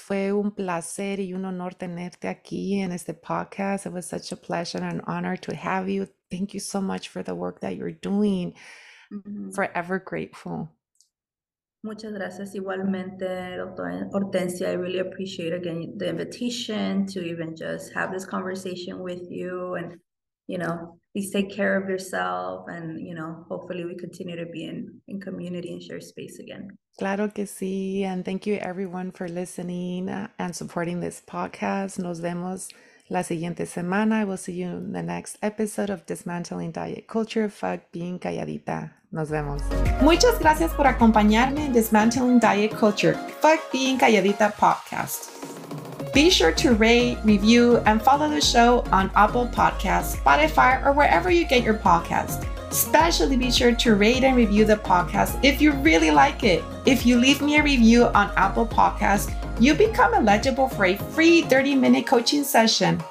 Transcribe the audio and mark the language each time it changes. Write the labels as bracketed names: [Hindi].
[Spanish] Fue un placer y un honor tenerte aquí en este podcast. [English] It was such a pleasure and an honor to have you. Thank you so much for the work that you're doing. Forever grateful. [Spanish] Muchas gracias igualmente, doctora Hortensia. [English] I really appreciate again the invitation to even just have this conversation with you, and you know, please take care of yourself, and you know, hopefully we continue to be in community and share space again. [Spanish] Claro que sí, [English] and thank you everyone for listening and supporting this podcast. [Spanish] Nos vemos la siguiente semana. [English] I will see you in the next episode of Dismantling Diet Culture. [Spanish] Fuck being calladita. Nos vemos. Muchas gracias por acompañarme en Dismantling Diet Culture. [English] Fuck being calladita podcast. Be sure to rate, review, and follow the show on Apple Podcasts, Spotify, or wherever you get your podcasts. Especially be sure to rate and review the podcast if you really like it. If you leave me a review on Apple Podcasts, you become eligible for a free 30-minute coaching session.